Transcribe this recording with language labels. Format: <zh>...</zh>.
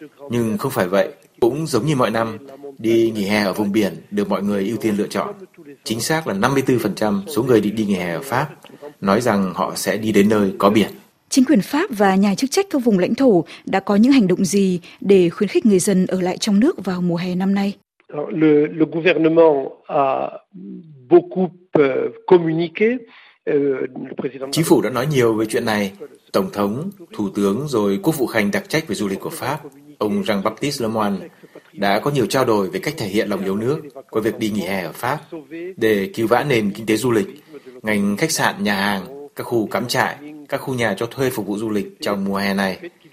<vi>Nhưng không phải vậy, cũng giống như mọi năm, đi nghỉ hè ở vùng biển được mọi người ưu tiên lựa chọn. Chính xác là 54% số người định đi nghỉ hè ở Pháp nói rằng họ sẽ đi đến nơi có biển. Chính quyền Pháp và nhà chức trách các vùng lãnh thổ đã có những hành động gì để khuyến khích người dân ở lại trong nước vào mùa hè năm nay?</vi> <fr>Le gouvernement a beaucoup communiqué.</fr> <vi>Chính phủ đã nói nhiều về chuyện này. Tổng thống, thủ tướng rồi quốc vụ khanh đặc trách về du lịch của Pháp, ông Jean-Baptiste Lemoyne, đã có nhiều trao đổi về cách thể hiện lòng yêu nước qua việc đi nghỉ hè ở Pháp để cứu vãn nền kinh tế du lịch, ngành khách sạn, nhà hàng, các khu cắm trại, các khu nhà cho thuê phục vụ du lịch trong mùa hè này.</vi>